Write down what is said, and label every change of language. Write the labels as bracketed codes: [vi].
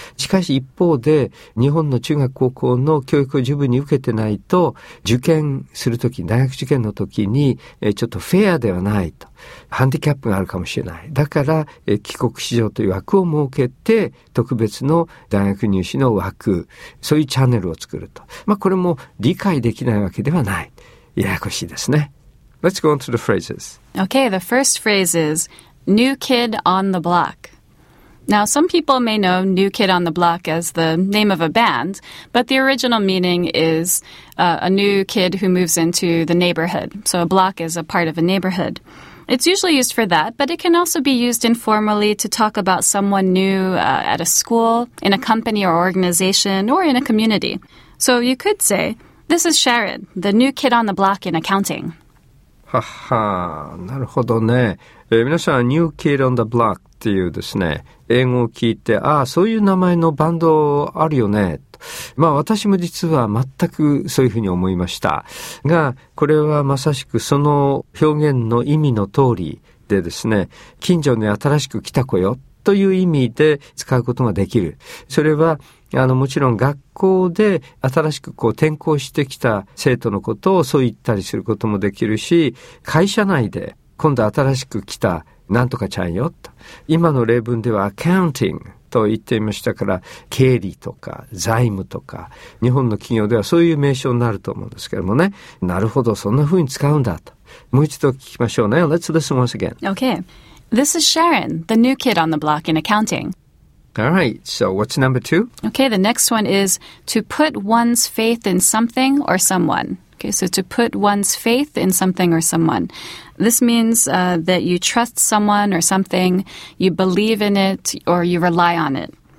[ja] しかし一方で、日本の中学高校の教育を十分に受けてないと、受験するとき、大学受験のときに、ちょっとフェアではないと。ハンディキャップがあるかもしれない。だから、帰国子女という枠を設けて、特別の大学入試の枠、そういうチャンネルを作ると。まあこれも理解できないわけではない。ややこしいですね。 [en] Let's go on to the phrases. Okay, the first phrase is new kid on the block. Now, some people may know new kid on the block as the name of a band, but the original meaning is a new kid who moves into the neighborhood. So a block is a part of a neighborhood. It's usually used for that, but it can also be used informally to talk about someone new at a school, in a company or organization, or in a community. So you could say, this is Sharon, the new kid on the block in accounting. [ja] ははなるほどね、皆さんは New Kid on the Block っていうですね英語を聞いて、ああそういう名前のバンドあるよね、まあ私も実は全くそういうふうに思いましたが、これはまさしくその表現の意味の通りでですね、近所に新しく来た子よという意味で使うことができる。それはもちろん学校で新しくこう転校してきた生徒のことをそう言ったりすることもできるし、会社内で今度新しく来たなんとかちゃんよと、今の例文ではアカウンティングと言っていましたから、経理とか財務とか日本の企業ではそういう名称になると思うんですけどもね。なるほど、そんな風に使うんだと。もう一度聞きましょうね。 [en] Let's listen once again. Okay, this is Sharon, the new kid on the block in accounting All right, so what's number two? Okay, the next one is to put one's faith in something or someone. Okay, so to put one's faith in something or someone. This means that you trust someone or something, you believe in it, or you rely on it.